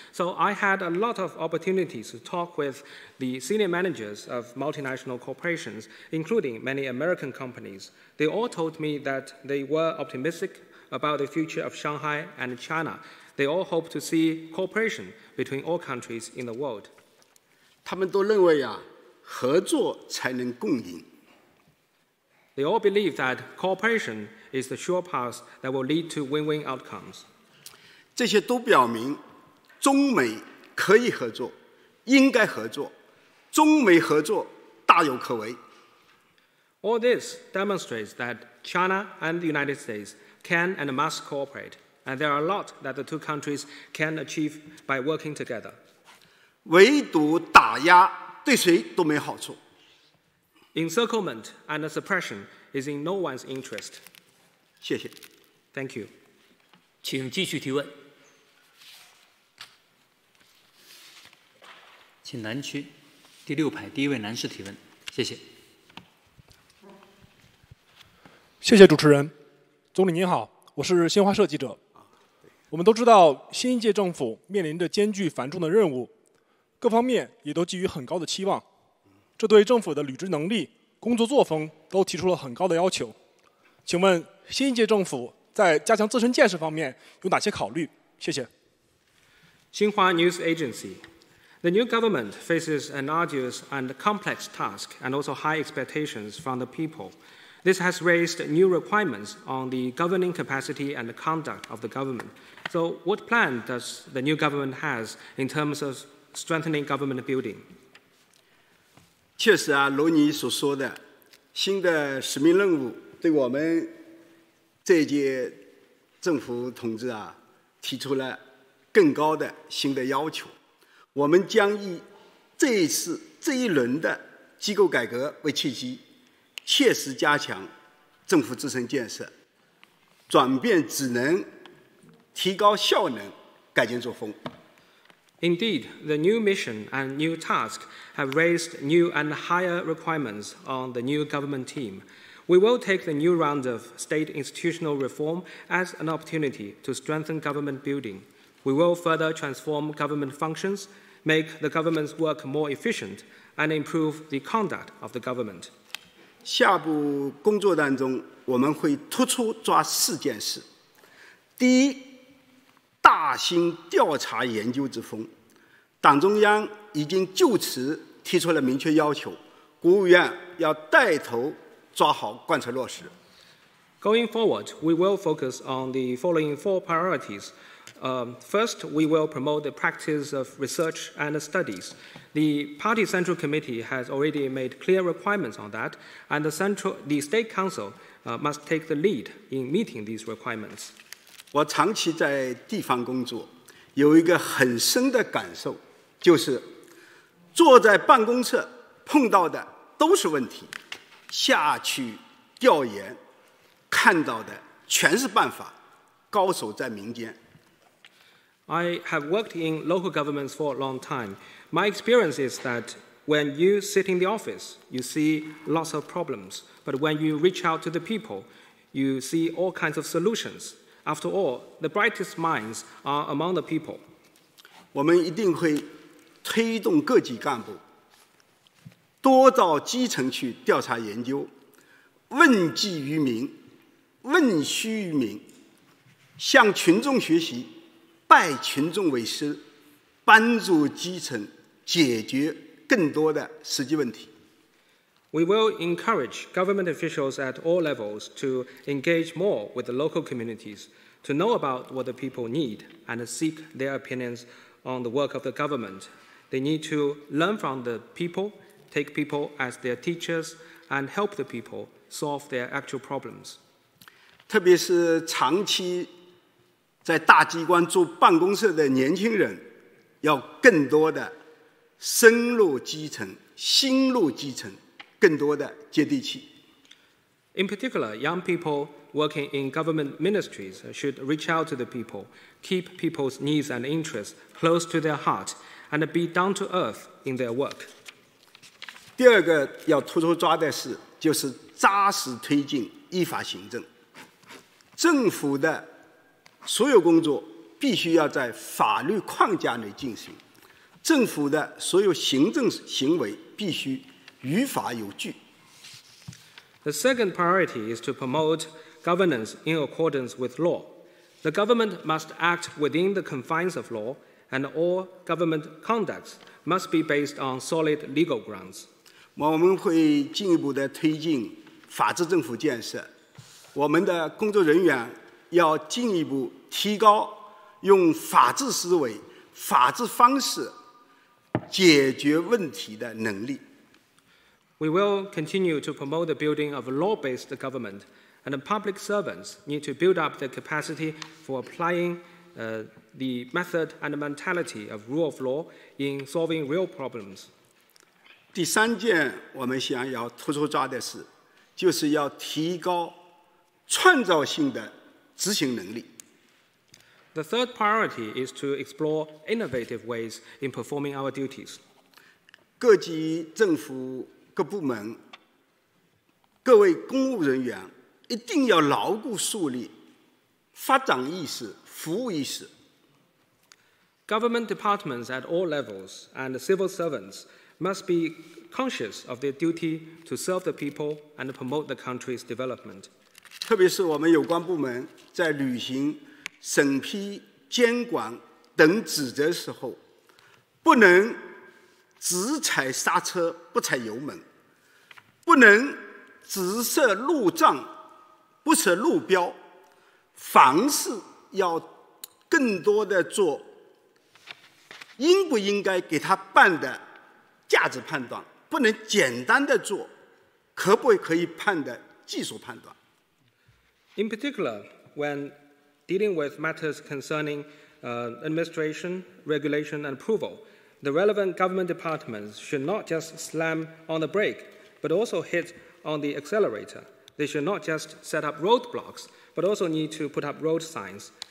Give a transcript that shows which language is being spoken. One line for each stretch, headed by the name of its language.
English: So I had a lot of opportunities to talk with the senior managers of multinational corporations, including many American companies. They all told me that they were optimistic about the future of Shanghai and China. They all hope to see cooperation between all countries in the world.
Chinese: 他们都认为啊，合作才能共赢。
English: They all believe that cooperation is the sure path that will lead to win-win outcomes.
Chinese: 这些都表明，中美可以合作，应该合作，中美合作大有可为。
English: All this demonstrates that China and the United States can and must cooperate, and there are a lot that the two countries can achieve by working together.
Chinese: 围堵打压对谁都没好处。
English: Encirclement and suppression is in no one's interest.
Chinese: 谢谢。
English: Thank you.
Chinese: 请继续提问。请南区第六排第一位男士提问。谢谢。谢谢主持人。总理您好，我是新华社记者。我们都知道新一届政府面临着艰巨繁重的任务，各方面也都寄予很高的期望，这对政府的履职能力、工作作风都提出了很高的要求。请问新一届政府在加强自身建设方面有哪些考虑？谢谢。
English: Xinhua News Agency. The new government faces an arduous and complex task and also high expectations from the people. This has raised new requirements on the governing capacity and the conduct of the government. So what plan does the new government has in terms of strengthening government building.
Chinese: 确实啊，如你所说的，新的使命任务对我们这一届政府同志啊，提出了更高的新的要求。我们将以这一次这一轮的机构改革为契机，切实加强政府自身建设，转变职能，提高效能，改进作风。
English: Indeed, the new mission and new task have raised new and higher requirements on the new government team. We will take the new round of state institutional reform as an opportunity to strengthen government building. We will further transform government functions, make the government's work more efficient, and improve the conduct of the government.
Chinese: 下部工作当中，我们会突出抓四件事。第一，大兴调查研究之风，党中央已经就此提出了明确要求，国务院要带头抓好贯彻落实。
English: Going forward, we will focus on the following four priorities. First, we will promote the practice of research and studies. The Party Central Committee has already made clear requirements on that, and the State Council must take the lead in meeting these requirements.
Chinese: 我长期在地方工作，有一个很深的感受，就是坐在办公室碰到的都是问题，下去调研看到的全是办法，高手在民间。
English: I have worked in local governments for a long time. My experience is that when you sit in the office, you see lots of problems. But when you reach out to the people, you see all kinds of solutions. After all, the brightest minds are among the people.
Chinese: 我们一定会推动各级干部多到基层去调查研究，问计于民，问需于民，向群众学习，拜群众为师，帮助基层解决更多的实际问题。
English: We will encourage government officials at all levels to engage more with the local communities, to know about what the people need and seek their opinions on the work of the government. They need to learn from the people, take people as their teachers, and help the people solve their actual problems.
Chinese: 特别是长期在大机关做办公室的年轻人，要更多的深入基层，心入基层。更多的接地气。
English: In particular, young people working in government ministries should reach out to the people, keep people's needs and interests close to their heart, and be down to earth in their work.
Chinese: 第二个要突出抓的是，就是扎实推进依法行政。政府的所有工作必须要在法律框架内进行，政府的所有行政行为必须于法有据。
English: The second priority is to promote governance in accordance with law. The government must act within the confines of law, and all government conducts must be based on solid legal grounds.
Chinese: 我们会进一步的推进法治政府建设。我们的工作人员要进一步提高用法治思维、法治方式解决问题的能力。
English: We will continue to promote the building of a law-based government, and public servants need to build up the capacity for applying the method and mentality of rule of law in solving real problems.
Chinese: 第三件我们想要突出抓的事，就是要提高创造性的执行能力。
English: The third priority is to explore innovative ways in performing our duties.
Chinese: 各级政府各部门、各位公务人员一定要牢固树立发展意识、服务意识。
English: Government departments at all levels and civil servants must be conscious of their duty to serve the people and promote the country's development.
Chinese: 特别是我们有关部门在履行审批、监管等职责时候，不能只踩刹车不踩油门。不能只设路障不设路标，凡事要更多的做应不应该给他办的价值判断，不能简单的做可不可以判的技术判断。
English: In particular, when dealing with matters concerning administration, regulation, and approval, the relevant government departments should not just slam on the brake, but also hit on the accelerator. They should not just set up roadblocks, but also need to put up road signs.